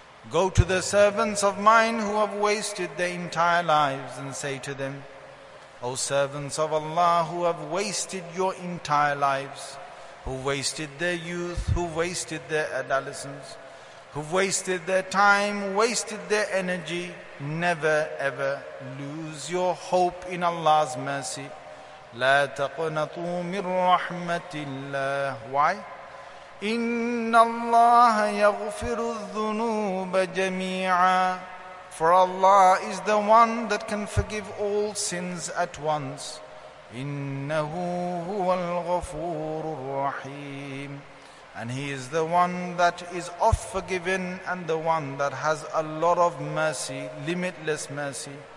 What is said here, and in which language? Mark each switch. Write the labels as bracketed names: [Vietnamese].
[English] Go to the servants of mine who have wasted their entire lives and say to them, O servants of Allah who have wasted your entire lives, who wasted their youth, who wasted their adolescence, who wasted their time, wasted their energy, never ever lose your hope in Allah's mercy. [Arabic] لا تقنطوا من رحمة الله. [English] Why? [Arabic] إن الله يغفر الذنوب جميعا. [English] For Allah is the one that can forgive all sins at once. [Arabic] إنه هو الغفور الرحيم. [English] And He is the one that is oft forgiven and the one that has a lot of mercy, limitless mercy.